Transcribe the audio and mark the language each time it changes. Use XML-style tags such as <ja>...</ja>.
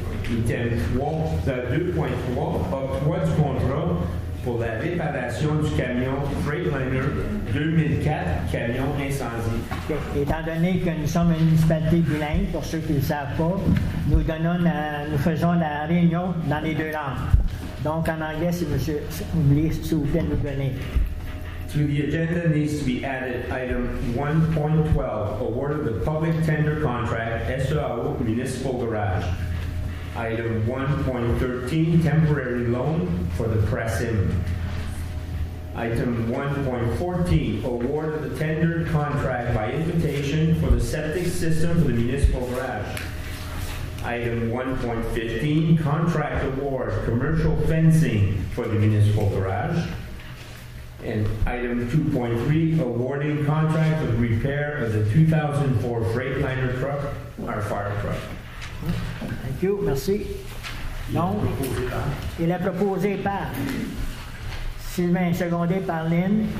<fr>Item 2.3, octroi du contrat pour la réparation du camion Freightliner 2004, camion incendie.</fr> <en>Okay.</en> <fr>Étant donné que nous sommes une municipalité bilingue, pour ceux qui ne le savent pas, nous donnons, nous faisons la réunion dans les deux langues. Donc en anglais, si monsieur, oubliez ce que vous faites, nous donner.</fr> <en>To the agenda needs to be added item 1.12, award of the public tender contract, SOAO Municipal Garage. Item 1.13, temporary loan for the Pressim. Item 1.14, award of the tender contract by invitation for the septic system for the Municipal Garage. Item 1.15, contract award, commercial fencing for the Municipal Garage. And item 2.3, awarding contract of repair of the 2004 Freightliner truck, our fire truck. Thank you, merci.</en> <fr>Donc, il est proposé par Sylvain, secondé par Lynn.</fr>